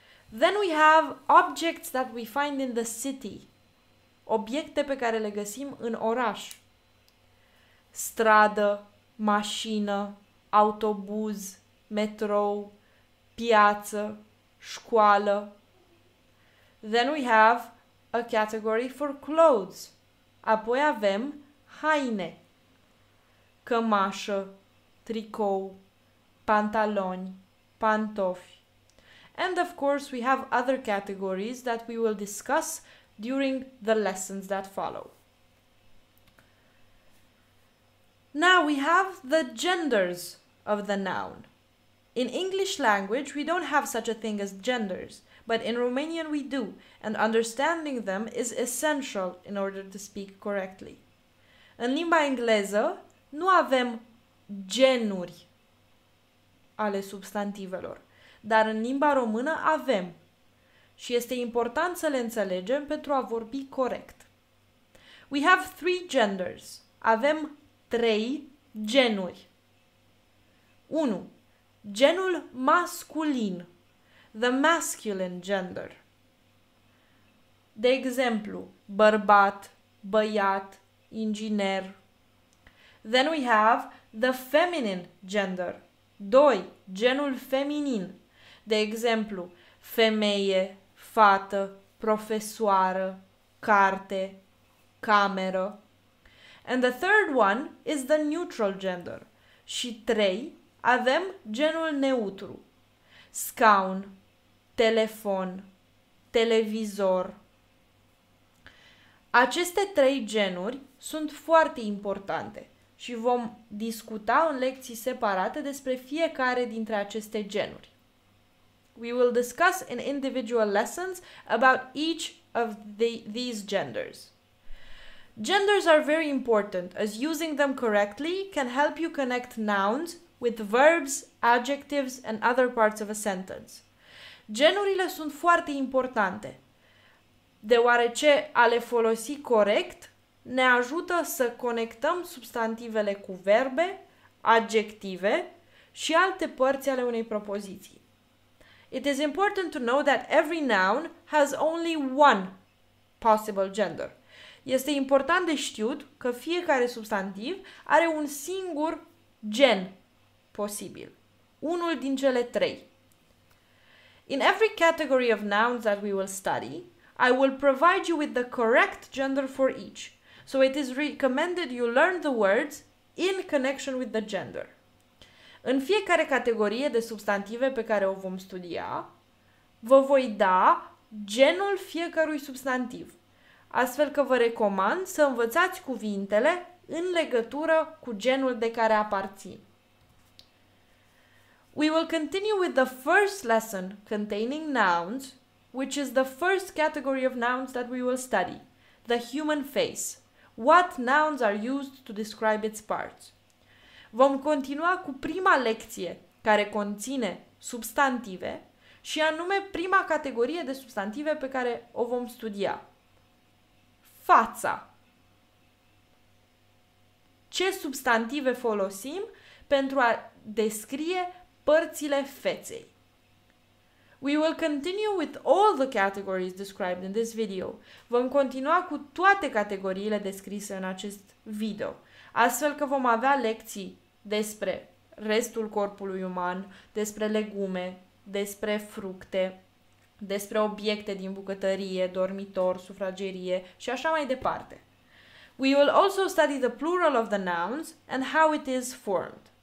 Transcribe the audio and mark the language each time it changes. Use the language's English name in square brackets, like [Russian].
[English] Then we have objects that we find in the city. [Romanian] Obiecte pe care le găsim în oraș. Stradă, mașină, autobuz, metrou, piață, școală. [English] Then we have a category for clothes. [Romanian] Apoi avem haine. Cămașă, tricou, pantaloni, pantofi. [English] And of course we have other categories that we will discuss during the lessons that follow. Now we have the genders of the noun. In English language we don't have such a thing as genders, but in Romanian we do, and understanding them is essential in order to speak correctly. [Romanian] În limba engleză nu avem genuri ale substantivelor, dar în limba română avem. Și este important să le înțelegem pentru a vorbi corect. [English] We have three genders. [Romanian] Avem trei genuri. [English] 1. [Romanian] Genul masculin. [English] The masculine gender. [Romanian] De exemplu, bărbat, băiat, inginer. [English] Then we have the feminine gender. 2. [Romanian] Genul feminin. De exemplu, femeie, fată, profesoară, carte, cameră. [English] And the third one is the neutral gender. [Romanian] Și 3. Avem genul neutru. Scaun, telefon, televizor. Aceste 3 genuri sunt foarte importante și vom discuta în lecții separate despre fiecare dintre aceste genuri. [English] We will discuss in individual lessons about each of these genders. Genders are very important, as using them correctly can help you connect nouns with verbs, adjectives, and other parts of a sentence. [Romanian] Genurile sunt foarte importante, deoarece a le folosi corect ne ajută să conectăm substantivele cu verbe, adjective și alte părți ale unei propoziții. [English] It is important to know that every noun has only one possible gender. [Romanian] Este important de știut că fiecare substantiv are un singur gen posibil, unul din cele trei. [English] In every category of nouns that we will study, I will provide you with the correct gender for each. So it is recommended you learn the words in connection with the gender. [Romanian] În fiecare categorie de substantive pe care o vom studia, vă voi da genul fiecărui substantiv, astfel că vă recomand să învățați cuvintele în legătură cu genul de care aparțin. [English] We will continue with the first lesson containing nouns, which is the first category of nouns that we will study, the human face. What nouns are used to describe its parts? [Romanian] Vom continua cu prima lecție care conține substantive și anume prima categorie de substantive pe care o vom studia. Fața. Ce substantive folosim pentru a descrie părțile feței? [English] We will continue with all the categories described in this video. [Romanian] Vom continua cu toate categoriile descrise în acest video, astfel că vom avea lecții despre restul corpului uman, despre legume, despre fructe, despre obiecte din bucătărie, dormitor, sufragerie și așa mai departe. [English] We will also study the plural of the nouns and how it is formed.